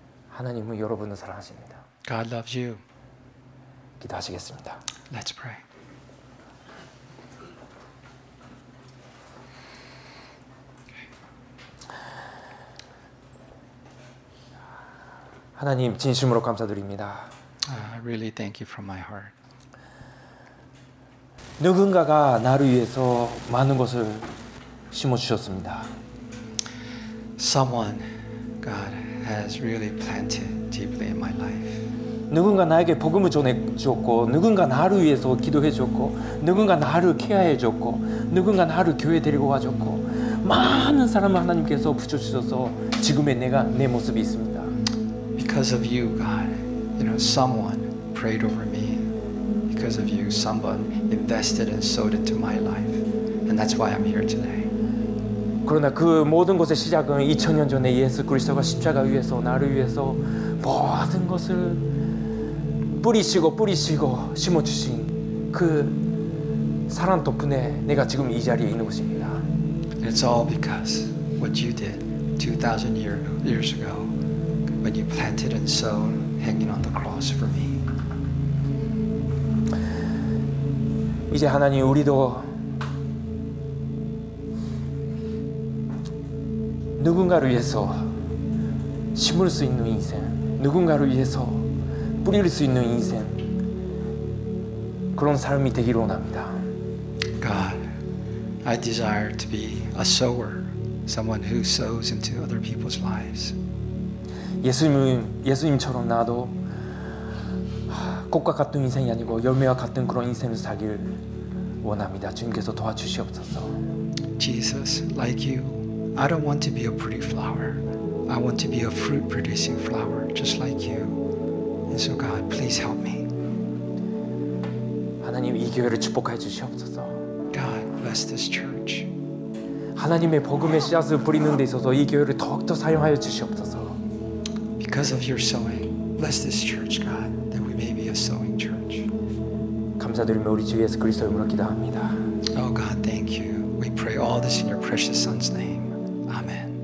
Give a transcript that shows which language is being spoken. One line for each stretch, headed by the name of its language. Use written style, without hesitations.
Korean: 하나님은 여러분을 사랑하십니다.
English: God loves you.
Korean: 기도하시겠습니다.
English: Let's pray. Okay.
Korean: 하나님 진심으로 감사드립니다.
English: I really thank you from my heart.
Korean: 누군가가 나를 위해서 많은 것을 심어 주셨습니다.
English: someone God has really planted deeply in my life.
Korean: 누군가 나에게 복음을 전해줬고 누군가 나를 위해서 기도해줬고 누군가 나를 케어해줬고 누군가 나를 교회 데리고 와줬고 많은 사람을 하나님께서 붙여주셔서 지금의 내가 내 모습이 있습니다.
English: Because of you, God, you know, someone prayed over me. Because of you, someone invested and sowed into my life. And that's why I'm here today.
Korean: 그러나 그 모든 것의 시작은 2000년 전에 예수 그리스도가 십자가 위에서 나를 위해서 모든 것을 뿌리시고 뿌리시고 심어주신 그 사랑 덕분에 내가 지금 이 자리에 있는 것입니다.
English: It's all because what you did 2,000 years ago when you planted and sown hanging on the cross for me.
Korean: 이제 하나님 우리도 누군가를 위해서 심을 수 있는 인생, 누군가를 위해서 뿌릴 수 있는 인생, 그런 삶이 되기를 원합니다.
English: God, I desire to be a sower, someone who sows into other people's lives.
Korean: 예수님처럼 나도 꽃과 같은 인생이 아니고 열매와 같은 그런 인생을 살길 원합니다. 주님께서 도와주시옵소서.
English: Jesus, like you, I don't want to be a pretty flower. I want to be a fruit-producing flower, just like you. And so, God, please help me.
Korean: 하나님 이 교회를 축복하여 주시옵소서.
English: God, bless this church.
Korean: 하나님의 복음의 씨앗을 뿌리는 데 있어서 이 교회를 더욱더 사용하여 주시옵소서.
English: Because of your sowing, bless this church, God, that we may be a sowing church.
Korean: 감사드리며 우리 주 예수 그리스도 이름으로 기도합니다.
English: Oh God, thank you. We pray all this in your precious Son's name. Amen.